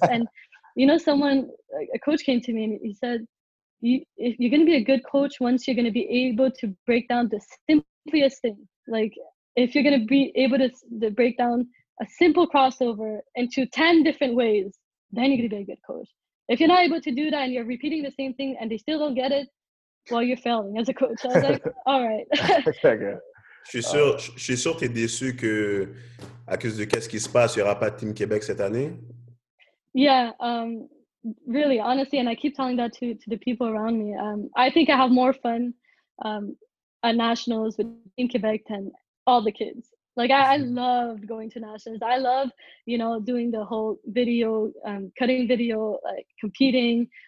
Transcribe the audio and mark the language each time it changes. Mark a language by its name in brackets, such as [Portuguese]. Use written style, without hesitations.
[English] And you know, someone, a coach came to me and he said, you're going to be a good coach once you're going to be able to break down the simplest thing. Like, if you're going to be able to break down a simple crossover into 10 different ways, then you're going to be a good coach. If you're not able to do that and you're repeating the same thing and they still don't get it, well, you're failing as a coach. I was like, all right. [French] Je suis sûr que tu es déçu que, à cause de qu'est-ce qui se passe, il n'y aura pas de Team Québec cette année. [English] Yeah, really, honestly, and I keep telling that to the people around me. I think I have more fun at Nationals with Team Québec than all the kids. Like, I loved going to Nationals. I love, you know, doing the whole video, cutting video, like competing.